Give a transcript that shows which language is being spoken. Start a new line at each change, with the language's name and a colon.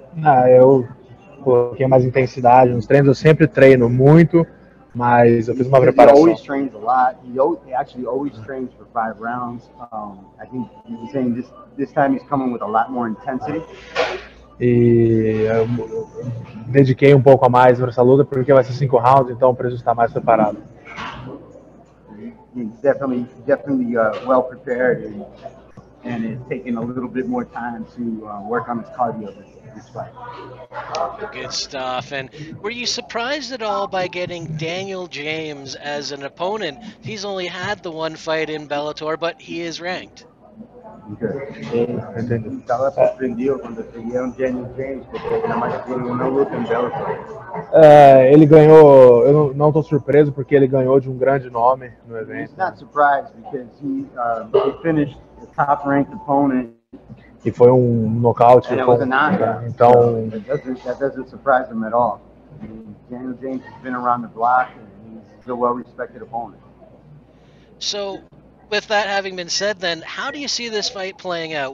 Portuguese: Ah, eu coloquei mais intensidade nos treinos. Eu sempre treino muito, mas eu fiz uma
English: Because he
Portuguese: preparação.
English: always trains a lot. He actually always trains for 5 rounds. I think he was saying this time he's coming with a lot more intensity.
Portuguese: E dediquei um pouco a mais para essa luta porque vai ser 5 rounds, então preciso estar mais preparado.
English: He's definitely well prepared and it's taking a little bit more time to work on his cardio this fight. Good stuff. And were you surprised at all by getting Daniel James as an opponent? He's only had the one fight in Bellator, but he is ranked.
Portuguese: Ele ganhou, eu não estou surpreso porque ele ganhou de um grande nome no evento.
English: Not surprised because he finished the top ranked opponent.
Portuguese: E foi um nocaute,
English: and it was a knockout.
Portuguese: Então,
English: that doesn't surprise him at all. Daniel James has been around the block and he's a well respected opponent. So with that having been said, then, how do you see this fight playing out?